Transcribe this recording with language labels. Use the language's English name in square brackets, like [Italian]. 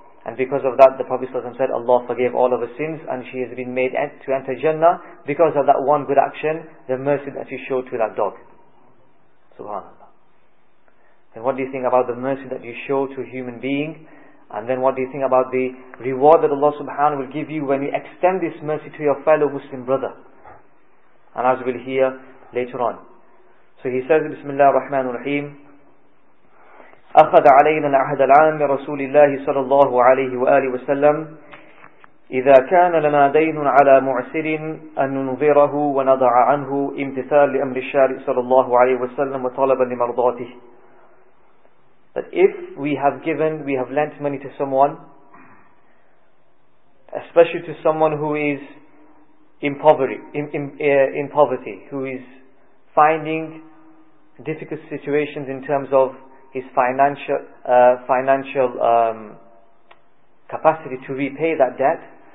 [English] And because of that, the Prophet ﷺ said, Allah forgave all of her sins and she has been made to enter Jannah because of that one good action, the mercy that she showed to that dog. Subhanallah. And what do you think about the mercy that you show to a human being? And then what do you think about the reward that Allah subhanahu wa ta'ala will give you when you extend this mercy to your fellow Muslim brother? And as we'll hear later on. So he says, [Arabic] Bismillah ar-Rahman ar-Rahim, أخذ علينا العهد العام رسول الله صلى الله عليه وآله وسلم إذا كان لنا دين على معسر أن ننظره ونضع عنه امتثال لأمر الشارع صلى الله عليه وسلم وطلبا لمرضاته. [English] But if we have given, we have lent money to someone, especially to someone who is in poverty, who is finding difficult situations in terms of his financial capacity to repay that debt.